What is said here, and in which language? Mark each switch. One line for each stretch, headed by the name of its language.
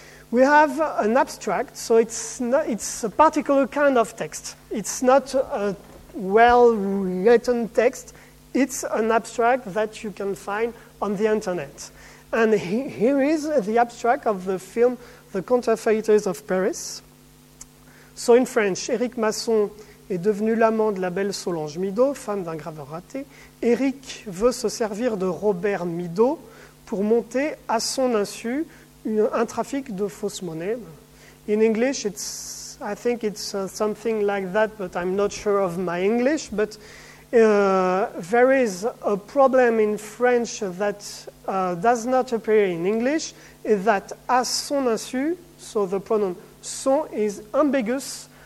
English: We have an abstract, so it's a particular kind of text. It's not a well-written text. It's an abstract that you can find on the internet. And here is the abstract of the film The Counterfeiters of Paris.
French: So in French, Éric Masson est devenu l'amant de la belle Solange Mido, femme d'un graveur raté. Éric veut se servir de Robert Mido pour monter à son insu un trafic de fausse monnaie.
English: In English, I think it's something like that, but I'm not sure of my English. But there is a problem in French that does not appear in English, is that à son insu, so the pronoun son is ambiguous